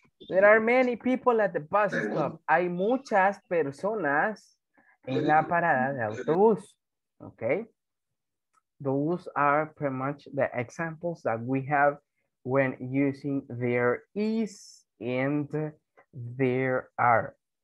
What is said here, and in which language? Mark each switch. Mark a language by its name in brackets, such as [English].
[English] There are many people at the bus stop. [Spanish] Hay muchas personas en la parada de autobús. [English] Ok. Those are pretty much the examples that we have when using there is and there are.